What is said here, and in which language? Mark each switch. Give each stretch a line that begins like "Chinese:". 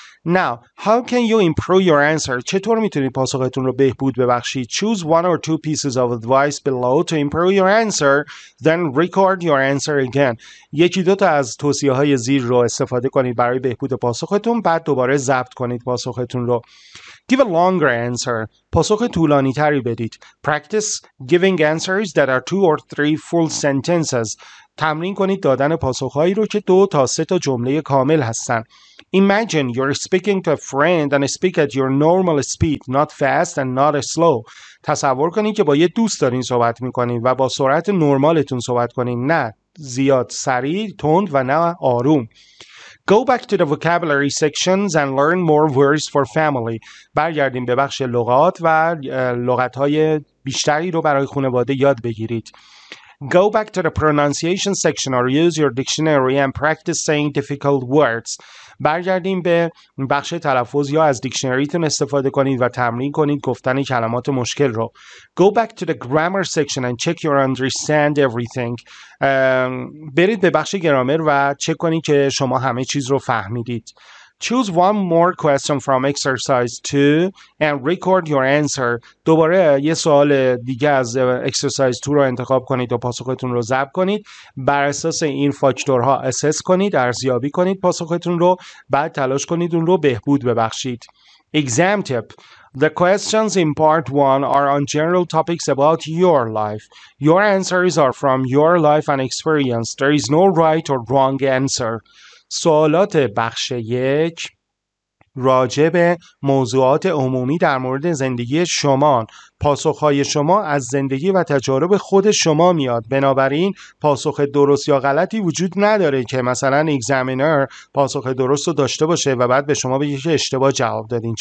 English: Now, how can you improve your answer?
Persian: چطور میتونید پاسختون رو بهبود ببخشید؟
English: Choose one or two pieces of advice below to improve your answer, then record your answer again.
Persian: یکی دو تا از توصیه‌های زیر رو استفاده کنید برای بهبود پاسختون، بعد دوباره ضبط کنید پاسختون رو.
English: Give a longer answer.
Persian: پاسخ طولانی تری بدید.
English: Practice giving answers that are two or three full sentences.
Persian: تمرین کنید دادن پاسخهایی رو که دو تا سه تا جمله کامل هستن.
English: Imagine you're speaking to a friend and speak at your normal speed, not fast and not slow.
Persian: تصور کنید که با یه دوست دارین صحبت میکنید و با سرعت نرمالتون صحبت کنید. نه زیاد سریع، تند و نه آروم.
English: Go back to the vocabulary sections and learn more words for family.
Persian: برگردیم به بخش لغات و لغت‌های بیشتری رو برای خانواده یاد بگیرید.
English: Go back to the pronunciation section or use your dictionary and practice saying difficult words.
Persian: برگردیم به بخش تلفظ یا از دیکشنریتون استفاده کنید و تمرین کنید گفتن کلمات مشکل رو.
English: Go back to the grammar section and check your understand everything.
Persian: برید به بخش گرامر و چک کنید که شما همه چیز رو فهمیدید.
English: Choose one more question from exercise 2 and record your answer.
Persian: دوباره یه سوال دیگه از exercise 2 رو انتخاب کنید و پاسختون رو ضبط کنید. بر اساس این فاکتورها assess کنید، ارزیابی کنید پاسختون رو، بعد تلاش کنید اون رو بهبود ببخشید.
English: Exam tip: The questions in part 1 are on general topics about your life. Your answers are from your life and experience. There is no right or wrong answer.
Persian: سوالات بخش یک راجع به موضوعات عمومی در مورد زندگی شما، پاسخهای شما از زندگی و تجارب خود شما میاد، بنابراین پاسخ درست یا غلطی وجود نداره که مثلا اگزامینر پاسخ درست رو داشته باشه و بعد به شما بگه که اشتباه جواب دادین.